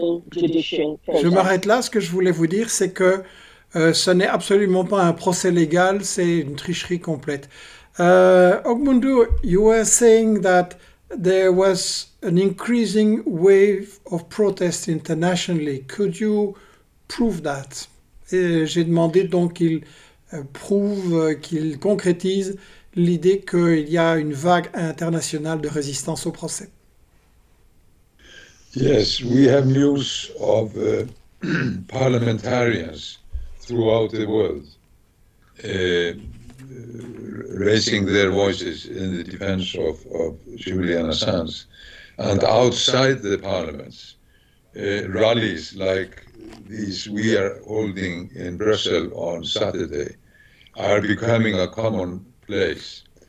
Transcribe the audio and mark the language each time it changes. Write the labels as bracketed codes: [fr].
[fr] Je m'arrête là. Ce que je voulais vous dire, c'est que ce n'est absolument pas un procès légal, c'est une tricherie complète. [en] Ogmundu, you were saying that there was an increasing wave of protest internationally. Could you prove that? [fr] J'ai demandé donc qu'il prouve, qu'il concrétise l'idée qu'il y a une vague internationale de résistance au procès. [en] Yes, we have news of parliamentarians throughout the world raising their voices in the defense of Julian Assange, and outside the parliaments, rallies like these we are holding in Brussels on Saturday are becoming a common place,